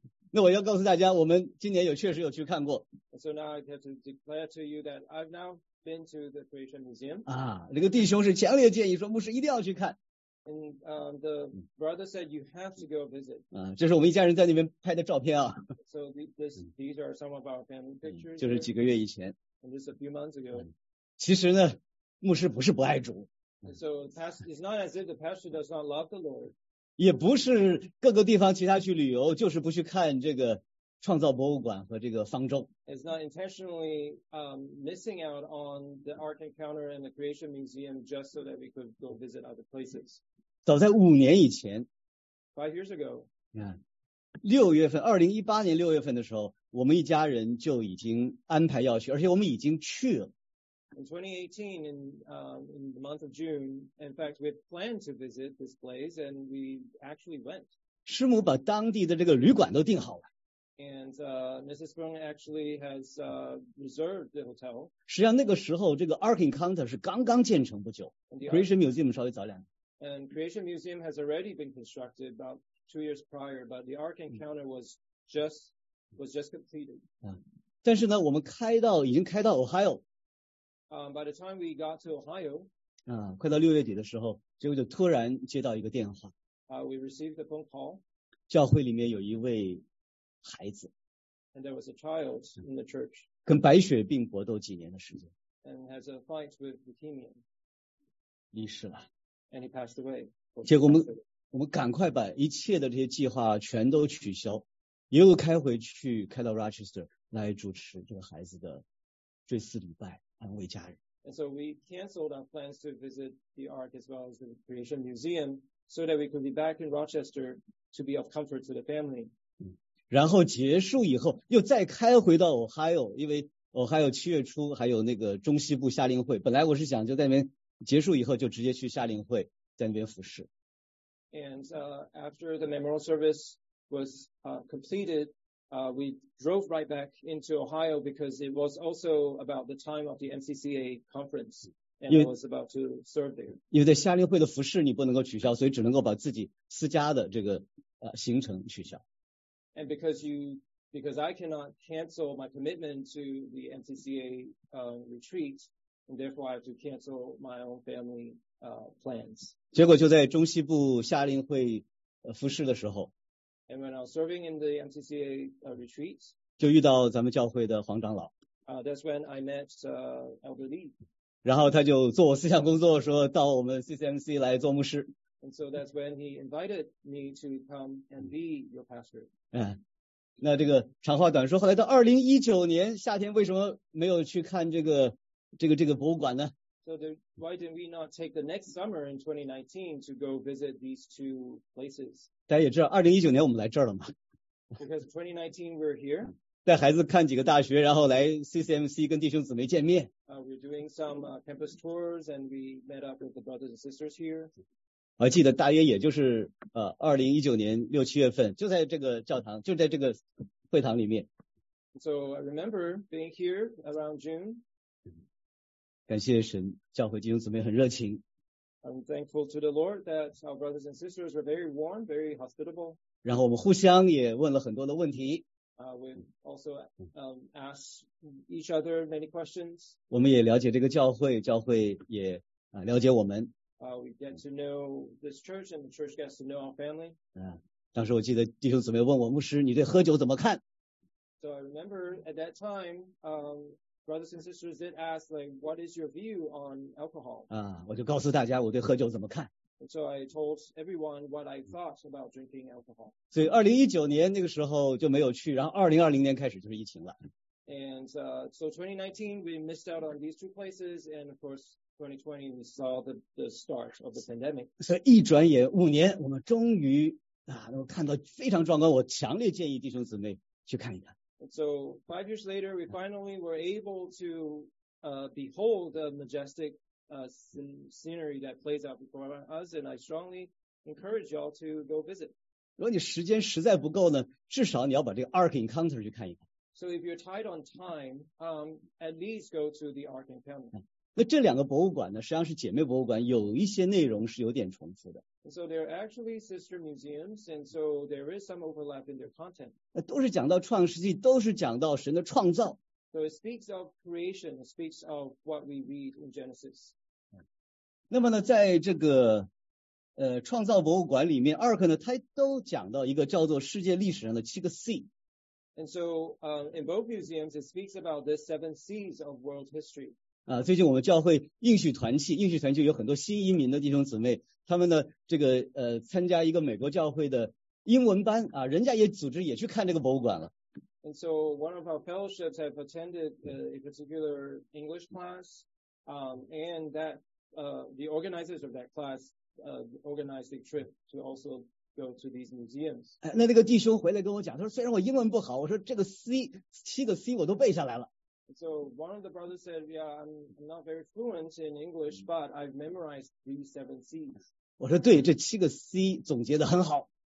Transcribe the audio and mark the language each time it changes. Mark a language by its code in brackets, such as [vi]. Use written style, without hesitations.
[zh] 那我要告诉大家，我们今年确实有去看过。 [en] So now I have to declare to you that I've now been to the Creation Museum. [zh] 这个弟兄是强烈建议说，牧师一定要去看。 [en] And the brother said you have to go visit. [zh] 这是我们一家人在那边拍的照片啊。 [en] So these are some of our family pictures. [zh] 就是几个月以前。 [en] And just a few months ago. [zh] 其实呢，牧师不是不爱主。 [en] So it's not as if the pastor does not love the Lord. [zh] 也不是各个地方其他去旅游，就是不去看这个创造博物馆和这个方舟。 [en] It's not intentionally missing out on the Ark Encounter and the Creation Museum just so that we could go visit other places. [zh] 早在五年以前 [en] ，Five years ago， [zh] 2018年6月份的时候，我们一家人就已经安排要去，而且我们已经去了。 [en] In 2018, in the month of June, in fact, we planned to visit this place, and we actually went. [zh] 师母把当地的这个旅馆都订好了。 [en] And Mrs. Brown actually has reserved the hotel. [zh] 实际上那个时候，这个 Ark Encounter 是刚刚建成不久 ，Creation Museum 稍微早两年。 [en] And Creation Museum has already been constructed about 2 years prior, but the Ark Encounter was just completed. [zh] 但是呢，我们已经开到 Ohio。 [en] By the time we got to Ohio, [zh] 快到六月底的时候，结果就突然接到一个电话。 [en] We received a phone call. [zh] 教会里面有一位孩子。 [en] And there was a child in the church. [zh] 跟白血病搏斗几年的时间。 [en] And has a fight with leukemia. [zh] 离世了。 [en] And he passed away. [zh] 结果我们赶快把一切的这些计划全都取消，一路开到 Rochester 来主持这个孩子的追思礼拜。安慰家人。 [en] And so we canceled our plans to visit the Ark as well as the Creation Museum so that we could be back in Rochester to be of comfort to the family. [zh] 然后结束以后又再开回到 Ohio, 因为 Ohio 七月初还有那个中西部夏令会，本来我是想就在那边结束以后就直接去夏令会在那边服侍。 [en] And after the memorial service was completed,we drove right back into Ohio because it was also about the time of the MCCA conference and I was about to serve there. [zh] 因为在夏令会的服侍你不能够取消，所以只能够把自己私家的这个行程取消。 [en] And because I cannot cancel my commitment to the MCCA retreat, and therefore I have to cancel my own family plans. [zh] 结果就在中西部夏令会服侍的时候。 [en] And when I was serving in the MCCA retreats, [zh] 就遇到咱们教会的黄长老。 [en] That's when I met Elder Lee. [zh] 然后他就做我思想工作，说到我们 CCMC 来做牧师。 [en] And so that's when he invited me to come and be your pastor. [zh] 那这个长话短说，后来到2019年夏天，为什么没有去看这个博物馆呢？ [en] So why didn't we not take the next summer in 2019 to go visit these two places? [zh] 大家也知道2019年我们来这儿了嘛。 [en] Because 2019 we're here. [zh] 带孩子看几个大学，然后来 CCMC 跟弟兄姊妹见面。 [en] We're doing some campus tours and we met up with the brothers and sisters here. [zh] 我记得大约也就是2019年六七月份，就在这个教堂，就在这个会堂里面。 [en] So I remember being here around June. [zh] 感谢神，教会弟兄姊妹很热情。 [en] I'm thankful to the Lord that our brothers and sisters were very warm, very hospitable. [zh] 然后我们互相也问了很多的问题。 [en] We also asked each other many questions. [zh] 我们也了解这个教会，教会也了解我们。 [en] We get to know this church, and the church gets to know our family. [zh] 当时我记得弟兄姊妹问我牧师，你对喝酒怎么看 [en] ？So I remember at that time, brothers and sisters did ask, like, what is your view on alcohol? [zh] 我就告诉大家我对喝酒怎么看。 [en] And、so I told everyone what I thought about drinking alcohol. [zh] 所以2019年那个时候就没有去，然后2020年开始就是疫情了。 [en] And so 2019 we missed out on these two places, and of course 2020 we saw the start of the pandemic. [zh] 所以一转眼五年，我们终于。我看到非常壮观，我强烈建议弟兄姊妹去看一看。 [en] So 5 years later, we finally were able to behold the majestic scenery that plays out before us, and I strongly encourage y'all to go visit. [zh] 如果你时间实在不够呢，至少你要把这个 Ark Encounter 去看一看。 [en] So if you're tight on time, at least go to the Ark Encounter. [zh] 那这两个博物馆呢，实际上是姐妹博物馆，有一些内容是有点重复的。 [en] So they're actually sister museums, and so there is some overlap in their content. [zh] 都是讲到创世纪，都是讲到神的创造。 [en] So it speaks of creation, it speaks of what we read in Genesis. [zh] 那么呢，在这个创造博物馆里面 ，Ark 呢，它都讲到一个叫做世界历史上的七个 C。 [en] And so, in both museums, it speaks about the seven C's of world history. [zh] 最近我们教会应许团契，应许团契有很多新移民的弟兄姊妹。他们呢，这个参加一个美国教会的英文班啊，人家也组织也去看这个博物馆了。 [en] And so one of our fellowships have attended a particular English class, and that the organizers of that class organized a trip to also go to these museums. [zh] 那个弟兄回来跟我讲，他说虽然我英文不好，我说这个 C 七个 C 我都背下来了。 [en] So one of the brothers said, yeah, I'm not very fluent in English, but I've memorized these seven C's. [zh] 我说对，这七个 C 总结得很好。